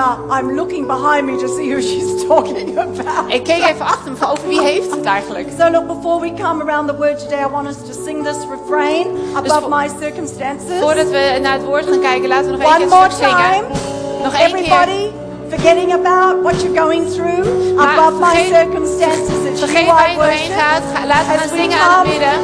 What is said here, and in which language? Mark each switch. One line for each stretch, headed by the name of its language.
English: I'm looking behind me to see who she's talking about.
Dutch: Ik keek even achter me, over wie heeft het eigenlijk?
English: So look, before we come around the word today, I want us to sing this refrain above my circumstances.
Dutch: Voordat we naar het woord gaan kijken, laten we nog één keer zingen. Nog één
English: everybody,
Dutch: keer.
English: Forgetting about what you're going through, maar above my circumstances, it's you I worship.
Dutch: Vergeet waar je doorheen gaat, laten we dan zingen aan het midden.